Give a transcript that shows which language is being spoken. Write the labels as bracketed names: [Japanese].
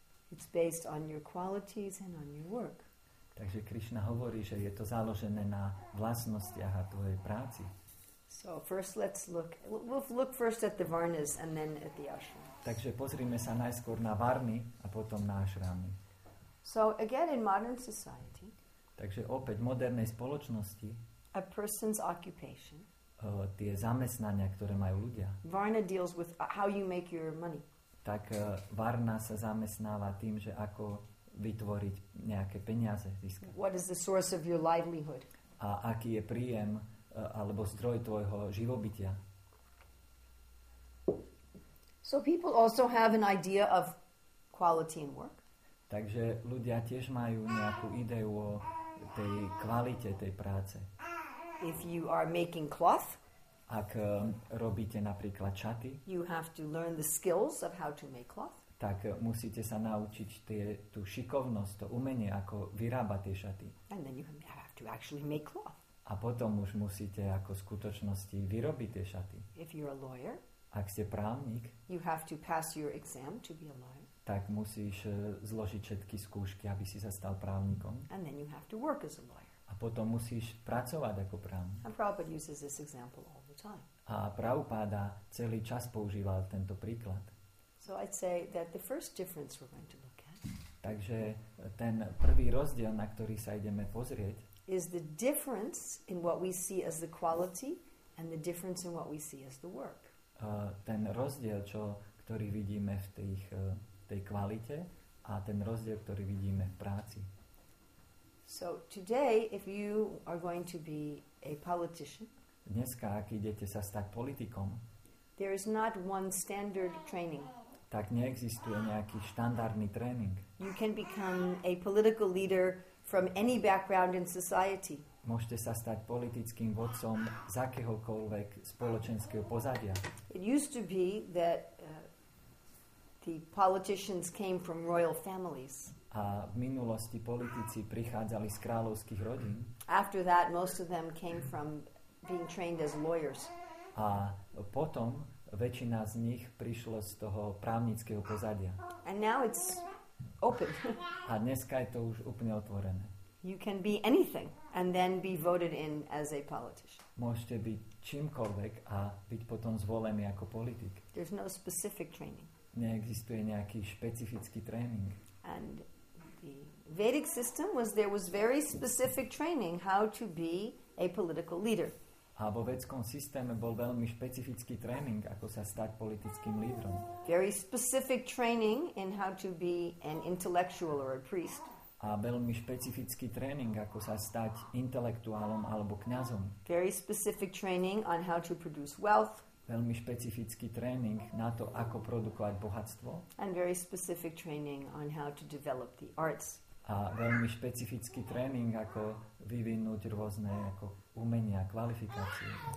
[English] It's based on your qualities and on your work. [Slovak] Takže Krishna hovorí, že je to založené na vlastnostiach a tvojej práci. [English] So first let's look, we'll look first at the varnas and then at the ashram. [Slovak] Takže pozrime sa najskôr na varny a potom na ashramy. [English] So again in modern society. [Slovak] Takže opäť v modernej spoločnosti. [English] A person's occupation. [Slovak] Tie zamestnania, ktoré majú ľudia. [English] Varna deals with how you make your money. [Slovak] Tak varna sa zamestnáva tým, že ako vytvoriť nejaké peniaze, získať. [English] What is the source of your livelihood? [Slovak] A aký je príjem alebo zdroj tvojho živobytia? [English] So people also have an idea of quality and work. [Slovak] Takže ľudia tiež majú nejakú ideu o tej kvalite tej práce. [English] If you are making cloth, [Slovak] ak robíte napríklad šaty, [English] you have to learn the skills of how to make cloth. [Slovak] Tak musíte sa naučiť tú šikovnosť, to umenie, ako vyrábať tie šaty. [English] And then you have to actually make cloth. [Slovak] A potom už musíte ako skutočnosti vyrobiť tie šaty. [English] If you're a lawyer, [Slovak] ak ste právnik, [English] you have to pass your exam to be a lawyer. [Slovak] Tak musíš zložiť všetky skúšky, aby si sa stal právnikom. [English] And then you have to work as a lawyer. [Slovak] A potom musíš pracovať ako prán. [English] And Prabhupada uses this example all the time. [Slovak] A Prabhupada celý čas používal tento príklad. [English] So I'd say that the first difference we're going to look at. [Slovak] Takže ten prvý rozdiel, na ktorý sa ideme pozrieť, [English] is the difference in what we see as the quality and the difference in what we see as the work. [Slovak] Ten rozdiel, ktorý vidíme v tej kvalite a ten rozdiel, ktorý vidíme v práci. [English] So today if you are going to be a politician, [Slovak] dneska ak idete sa stať politikom, [English] there is not one standard training. [Slovak] Tak neexistuje nejaký štandardný tréning. [English] You can become a political leader from any background in society. [Slovak] Môžete sa stať politickým vodcom z akéhokoľvek spoločenského pozadia. [English] It used to be that the politicians came from royal families. [Slovak] A v minulosti politici prichádzali z kráľovských rodín. [English] After that, most of them came from being trained as lawyers. [Slovak] A potom väčšina z nich prišlo z toho právnického pozadia. [English] And now it's open. [Slovak] A dneska je to už úplne otvorené. [English] You can be anything and then be voted in as a politician. [Slovak] Môžete byť čímkoľvek a byť potom zvolený ako politik. [English] There's no specific training. [Slovak] Neexistuje nejaký špecifický tréning. [English] And the Vedic system was there was very specific training how to be a political leader. [Slovak] A vo vedskom systéme bol veľmi špecifický tréning, ako sa stať politickým lídrom. [English] Very specific training in how to be an intellectual or a priest. [Slovak] A veľmi špecifický tréning, ako sa stať intelektuálom alebo kňazom. [English] Very specific training on how to produce wealth. [Slovak] Veľmi špecifický tréning na to, ako produkovať bohatstvo. [English] And very specific training on how to develop the arts. [Slovak] A veľmi špecifický tréning, ako vyvinúť rôzne ako umenia, kvalifikácie.